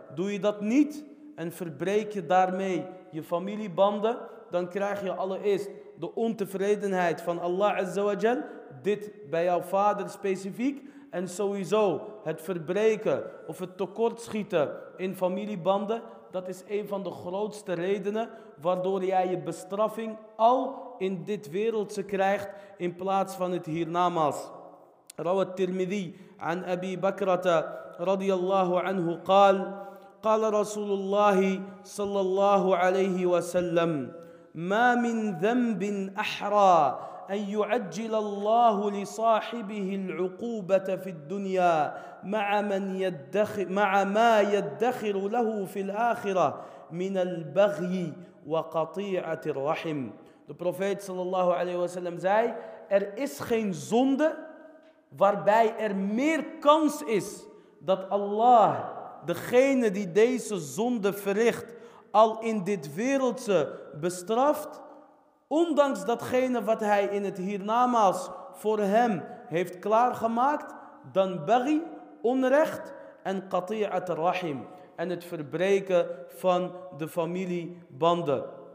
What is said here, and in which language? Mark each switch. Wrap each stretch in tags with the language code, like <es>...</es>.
<nl>Doe je dat niet en verbreek je daarmee je familiebanden, dan krijg je allereerst de ontevredenheid van Allah Azza wa Jal, dit bij jouw vader specifiek. En sowieso het verbreken of het tekortschieten in familiebanden, dat is een van de grootste redenen waardoor jij je bestraffing al in dit wereldse krijgt in plaats van het hiernamaals.</nl> <ar>Rawat Tirmidhi aan Abi Bakrata radiyallahu anhu qaal, qaal Rasulullahi sallallahu alayhi wa sallam, ma min dhanbin ahra أن يعجل الله لصاحبه العقوبة في الدنيا مع من يدخر مع ما يدخر له في الآخرة من البغي وقطيعة الرحم.</ar> <nl>De profeet sallallahu alayhi wa sallam zei: er is geen zonde waarbij er meer kans is dat Allah degene die deze zonde verricht al in dit wereldse bestraft, ondanks datgene wat hij in het hiernamaals voor hem heeft klaargemaakt, dan baghi, onrecht, en qati'at rahim, en het verbreken van de familiebanden.</nl>